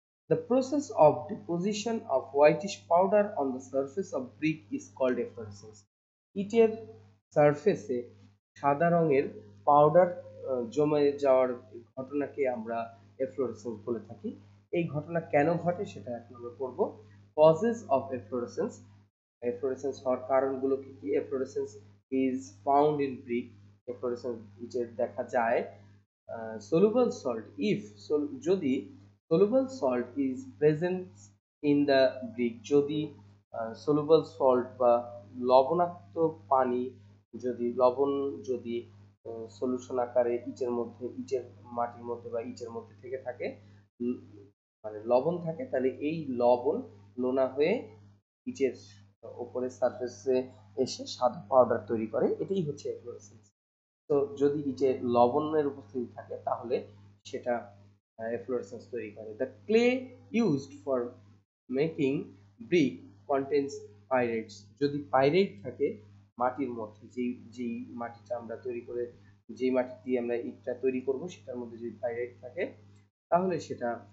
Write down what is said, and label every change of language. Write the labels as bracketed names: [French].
[English] the process of deposition of whitish powder on the surface of brick is called efflorescence, [Bangla] ইটের সারফেসে সাদা রঙের powder জমে যাওয়ার ঘটনাকে আমরা এফ্লোরেসেন্স বলে থাকি। এই ঘটনা কেন ঘটে সেটা এখন আমরা পড়ব। [English] causes of efflorescence, [Bangla] এফ্লোরেসেন্স হওয়ার কারণগুলো কী কী? [English] efflorescence is found in brick, efflorescence [Bangla] ইটের দেখা যায়। [English] soluble salt, if [Bangla] যদি [English] Soluble salt is present in the brick. [Bangla] যদি সলুবল সল্ট বা লবণাক্ত পানি যদি লবণ যদি সলিউশন আকারে ইটের মধ্যে ইটের মাটির মধ্যে বা ইটের মধ্যে থেকে থাকে মানে লবণ থাকে তাহলে এই লবণ লোনা হয়ে ইটের উপরে সারফেসে এসে সাদা পাউডার তৈরি করে এটাই হচ্ছে এফ্লোরেসেন্স তো যদি ইটে লবণের উপস্থিতি থাকে তাহলে সেটা এফ্লোরেসেন্স তৈরি করে [English] the clay used for making brick contains pyrites [Bangla] যদি পাইরেট থাকে মাটির মধ্যে যেই যেই মাটিটা আমরা তৈরি করে যেই মাটি দিয়ে আমরা ইটটা তৈরি করব সেটার মধ্যে যদি পাইরেট থাকে তাহলে সেটা